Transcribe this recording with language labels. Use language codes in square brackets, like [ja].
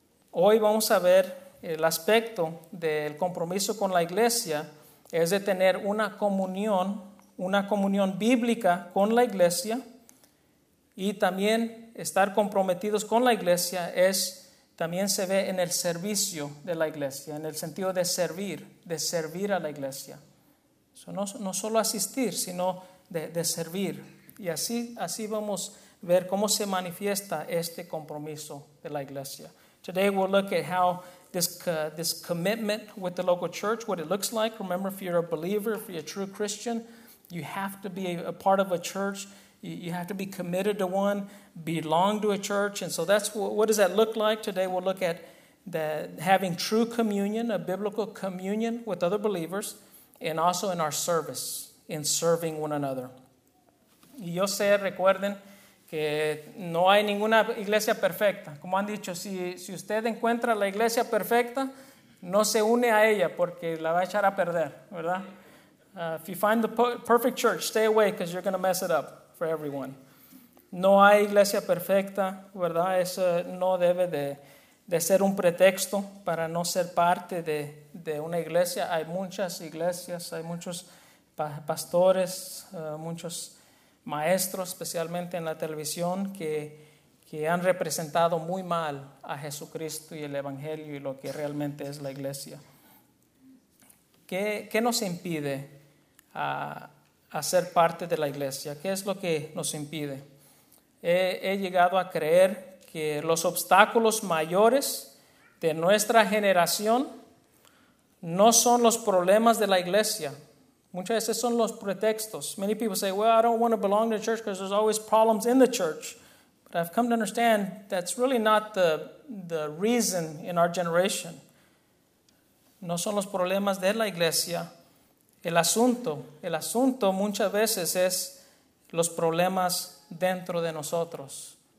[es] Hoy vamos a ver el aspecto del compromiso con la iglesia, es de tener una comunión bíblica con la iglesia, y también estar comprometidos con la iglesia es también se ve en el servicio de la iglesia, en el sentido de servir a la iglesia. So, no solo asistir, sino de servir. Y así vamos a ver cómo se manifiesta este compromiso de la iglesia. [en] Today we'll look at how this commitment with the local church, what it looks like. Remember, if you're a believer, if you're a true Christian, you have to be a part of a church. You have to be committed to one, belong to a church. And so that's what does that look like? Today we'll look at having true communion, a biblical communion with other believers, and also in our service, in serving one another. [es] Y yo sé, recuerden, que no hay ninguna iglesia perfecta. Como han dicho, si usted encuentra la iglesia perfecta, no se une a ella porque la va a echar a perder, ¿verdad? [en] If you find the perfect church, stay away because you're going to mess it up. For everyone. [es] No hay iglesia perfecta, ¿verdad? Eso no debe de ser un pretexto para no ser parte de una iglesia. Hay muchas iglesias, hay muchos pastores, muchos maestros, especialmente en la televisión, que han representado muy mal a Jesucristo y el Evangelio y lo que realmente es la iglesia. ¿Qué nos impide a ser parte de la iglesia? ¿Qué es lo que nos impide? He llegado a creer que los obstáculos mayores de nuestra generación no son los problemas de la iglesia. Muchas veces son los pretextos. [en] Many people say, well, I don't want to belong to the church because there's always problems in the church. But I've come to understand that's really not the reason in our generation. [es] No son los problemas de la iglesia. El asunto muchas veces es los problemas dentro de nosotros.